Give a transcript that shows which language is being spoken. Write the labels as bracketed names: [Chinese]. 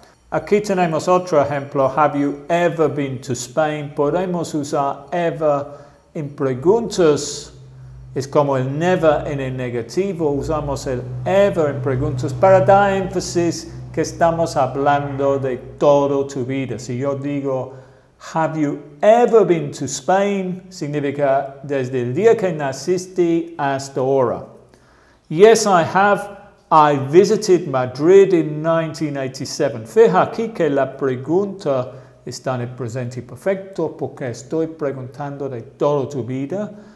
[Spanish] Aquí tenemos otro ejemplo. [English] Have you ever been to Spain? [Spanish] Podemos usar ever en preguntas. Es como el never en el negativo. Usamos el ever en preguntas para dar énfasis que estamos hablando de todo tu vida. Si yo digo, [English] have you ever been to Spain? [Spanish] Significa desde el día que naciste hasta ahora. [English] Yes, I have. I visited Madrid in 1987. [Spanish] Fija aquí que la pregunta está en el presente perfecto porque estoy preguntando de toda tu vida.